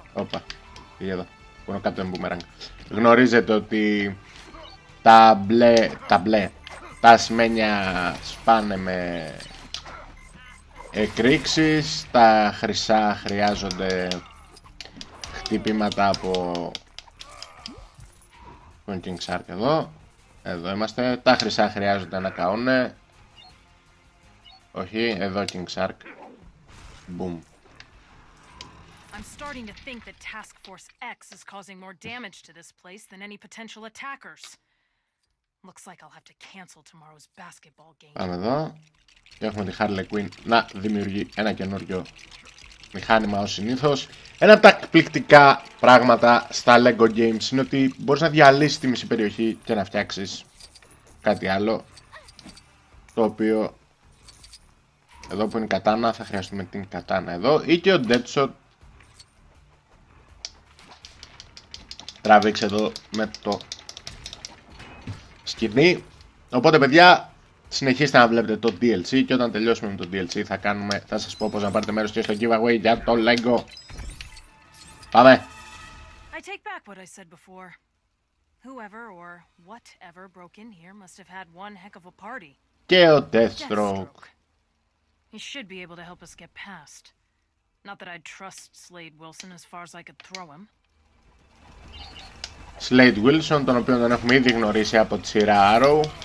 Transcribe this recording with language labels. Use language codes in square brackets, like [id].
[el] Όπα, πήγε εδώ. Που είναι ο Captain Boomerang. Γνωρίζετε ότι τα μπλε, τα σημαίνια σπάνε με εκρήξεις, τα χρυσά χρειάζονται χτυπήματα από τον King Shark εδώ. Εδώ είμαστε. Τα χρυσά χρειάζονται να καούνε. Όχι, εδώ King Shark. [en] Boom. I'm starting to think that Task Force X is causing more damage to this place than any potential attackers. Looks like I'll have to cancel tomorrow's basketball game. [el] Πάμε εδώ. Και έχουμε τη Harley Quinn να δημιουργεί ένα καινούριο μηχάνημα ως συνήθως. Ένα από τα εκπληκτικά πράγματα στα LEGO Games είναι ότι μπορείς να διαλύσεις τη μισή περιοχή και να φτιάξεις κάτι άλλο, το οποίο εδώ που είναι η κατάνα, θα χρειαστούμε την κατάνα εδώ, ή και ο Deadshot τραβήξε εδώ με το σκηνή. Οπότε παιδιά, συνεχίστε να βλέπετε το DLC και όταν τελειώσουμε με το DLC θα σας πω πως να πάρετε μέρος και στο giveaway για το LEGO. Πάμε! [en] I take back what I said before. Whoever or whatever broke in here must have had one heck of a party. [el] Και ο Deathstroke. [en] He should be able to help us get past. Not that I'd trust Slade Wilson as far as I could throw him. [el] Slade Wilson, τον οποίο τον έχουμε ήδη γνωρίσει από τη σειρά Arrow.